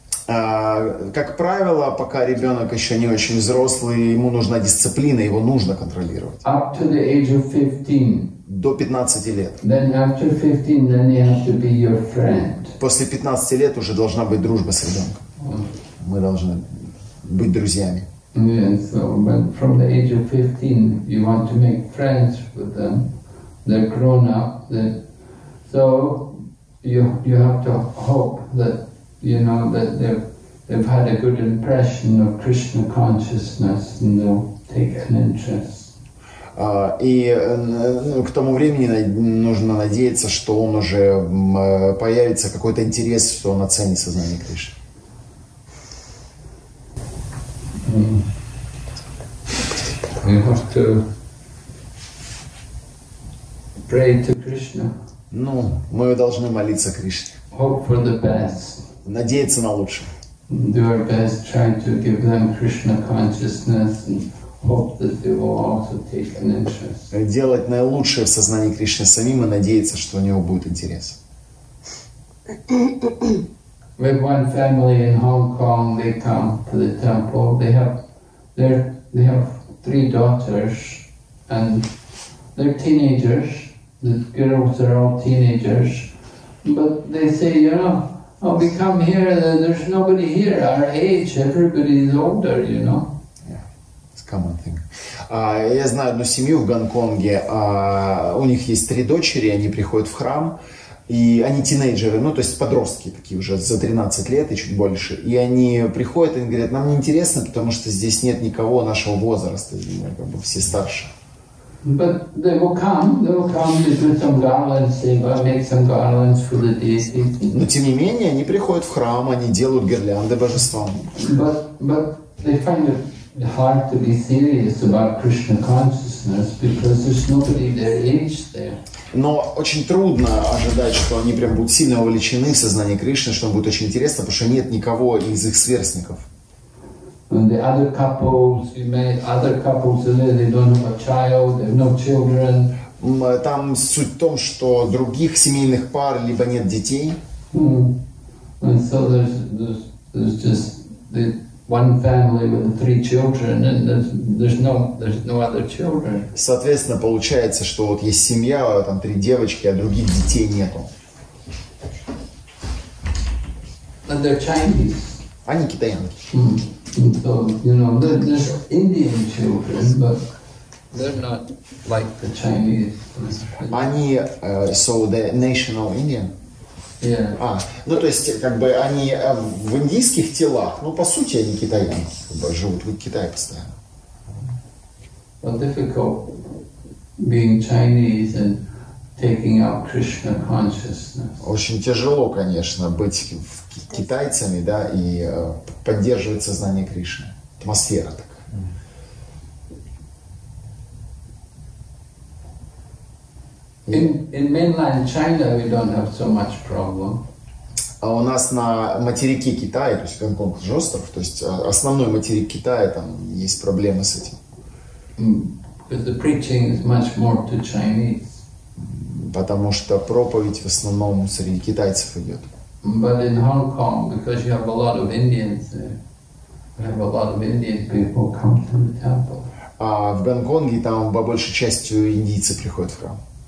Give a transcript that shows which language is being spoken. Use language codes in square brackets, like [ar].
[ru] Как правило, пока ребенок еще не очень взрослый, ему нужна дисциплина, его нужно контролировать. [en] Up to the age of 15. [ru] До 15 лет. [en] Then after 15, then you have to be your friend. [ru] После 15 лет уже должна быть дружба с ребенком. Мы должны быть друзьями. [en] Yeah, so when from the age of 15 you want to make friends with them, they're grown up, so you have to hope that you know that they've had a good impression of Krishna consciousness and they'll take an interest. [ru] И к тому времени нужно надеяться, что он уже появится какой-то интерес, что он оценит сознание Кришны. [en] We have to pray to Krishna. [ru] Ну, мы должны молиться Кришне. [en] Hope for the best. [ru] Надеяться на лучшее. [en] Do our best, trying to give them Krishna consciousness and hope that they will also take an interest. [ru] Делать наилучшее в сознании Кришны самим и надеяться, что у него будет интерес. [en] We have one family in Hong Kong. They come to the temple. They have three daughters, and they're teenagers. The girls are all teenagers, but they say, you know, oh, we come here. There's nobody here our age. Everybody's older, you know. Common thing. [ru] Я знаю одну семью в Гонконге. У них есть три дочери, они приходят в храм, И они тинейджеры, ну, то есть подростки такие уже за 13 лет и чуть больше. И они приходят и говорят, нам неинтересно, потому что здесь нет никого нашего возраста, мы как бы все старше. [en] But they will come to do some garlands, they will make some garlands for the deity. [ru] Но тем не менее они приходят в храм, они делают гирлянды божествам. [en] But they find it hard to be serious about Krishna consciousness because there's nobody their age there. [ru] Но очень трудно ожидать, что они прям будут сильно увлечены в сознании Кришны, что им будет очень интересно, потому что нет никого из их сверстников. [en] And the other couples, you may, other couples, they don't have a child, they have no children. [ru] Там суть в том, что других семейных пар либо нет детей. Mm-hmm. [en] And so there's just the one family with three children, and there's no other children. [ru] Соответственно, получается, что вот есть семья, там три девочки, а других детей нету. [en] And they're Chinese. [ru] Они китаянки. Mm-hmm. [en] So, you know, there's Indian children, but they're not like the Chinese. [ru] Они, [en] so the national Indian? Yeah. [ru] А, ну то есть, как бы, они в индийских телах, но по сути они китаянки, как бы, живут в Китае постоянно. [en] Well, difficult being Chinese and taking up Krishna consciousness. [ru] Очень тяжело, конечно, быть китайцами, да, и поддерживать сознание Кришны. Атмосфера такая. [en] In mainland China we don't have so much problem. [ru] А у нас на материке Китая, то есть Гонконг же остров, то есть основной материк Китая, там есть проблемы с этим. [en] Because the preaching is much more to Chinese. [ru] Потому что проповедь в основном среди китайцев идет. [en] But in Hong Kong, because you have a lot of Indians there, you have a lot of Indian people come to the temple. [ru] А в Гонконге там по большей части индийцы приходят в храм.